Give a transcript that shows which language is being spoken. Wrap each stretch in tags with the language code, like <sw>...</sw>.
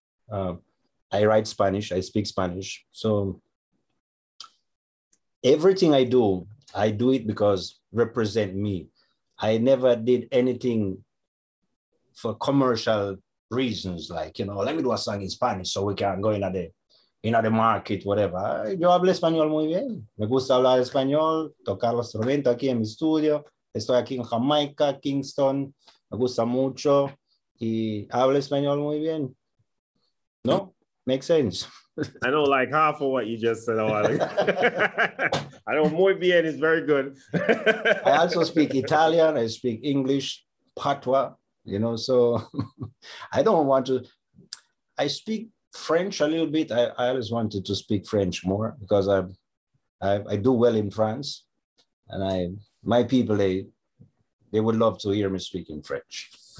<en>I write Spanish, I speak Spanish. So everything I do it because represent me. I never did anything for commercial reasons, like, you know, let me do a song in Spanish so we can go in at the market, whatever.</en> <es>Yo hablo español muy bien. Me gusta hablar español, tocar los instrumentos aquí en mi estudio. Estoy aquí en Jamaica, Kingston. Me gusta mucho. Y hablo español muy bien.</es> <en>No? Makes sense. I know like half of what you just said. I know</en> <es>muy bien</es> <en>is very good. I also speak Italian. I speak English, Patois, you know, so I don't want to. I speak French a little bit. I always wanted to speak French more because I do well in France, and my people would love to hear me speak in French.</en>